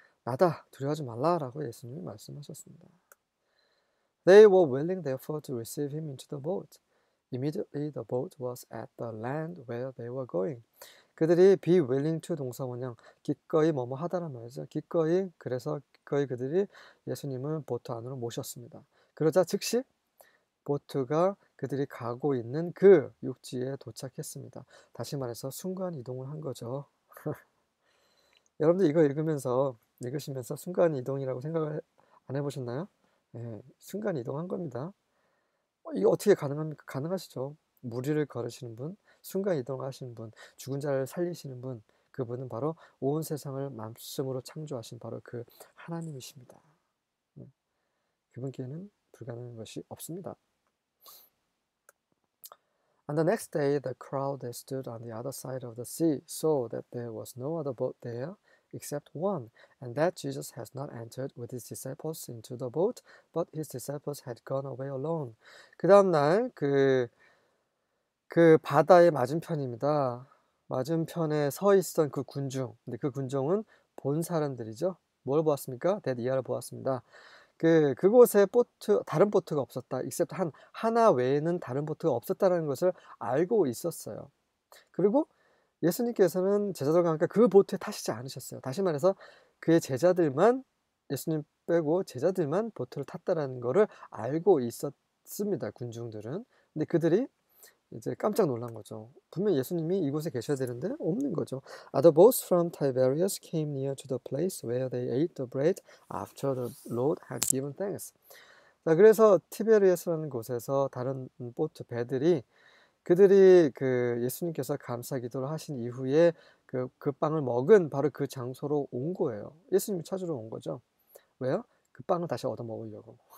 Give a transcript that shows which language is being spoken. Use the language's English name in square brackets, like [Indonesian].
[Korean] 나다, 두려워하지 말라라고 예수님이 말씀하셨습니다. [English] They were willing, therefore, to receive him into the boat. Immediately, the boat was at the land where they were going. [Korean] 그들이 [English] be willing to [Korean] 동사원형, 기꺼이 뭐뭐 하다란 말이죠. 기꺼이, 그래서 기꺼이 그들이 예수님을 보트 안으로 모셨습니다. 그러자 즉시 보트가 그들이 가고 있는 그 육지에 도착했습니다. 다시 말해서 순간 이동을 한 거죠. 여러분들 이거 읽으시면서 순간 이동이라고 생각을 안 해보셨나요? 네, 순간 이동한 겁니다. 이거 어떻게 가능합니까? 가능하시죠. 무리를 걸으시는 분, 순간이동하신 분, 죽은 자를 살리시는 분, 그분은 바로 온 세상을 말씀으로 창조하신 바로 그 하나님이십니다. 그분께는 불가능한 것이 없습니다. [English] And the next day, the crowd stood on the other side of the sea, so that there was no other boat there except one, and that Jesus has not entered with his disciples into the boat, but his disciples had gone away alone. [Korean] 그 다음날 그 바다의 맞은편입니다. 맞은편에 서 있던 그 군중, 근데 그 군중은 본 사람들이죠. 뭘 보았습니까? 대 이하를 보았습니다. 그곳에 다른 보트가 없었다. except 하나 외에는 다른 보트가 없었다라는 것을 알고 있었어요. 그리고 예수님께서는 제자들과 함께 그 보트에 타시지 않으셨어요. 다시 말해서 그의 제자들만, 예수님 빼고 제자들만 보트를 탔다라는 것을 알고 있었습니다. 군중들은. 근데 그들이 이제 깜짝 놀란 거죠. 분명 예수님이 이곳에 계셔야 되는데 없는 거죠. [English] Other boats from Tiberias came near to the place where they ate the bread after the Lord had given thanks. [Korean] 자, 그래서 티베리에스라는 곳에서 다른 보트 배들이 그들이 그 예수님께서 감사 기도를 하신 이후에 그 빵을 먹은 바로 그 장소로 온 거예요. 예수님이 찾으러 온 거죠. 왜요? 그 빵을 다시 얻어 먹으려고.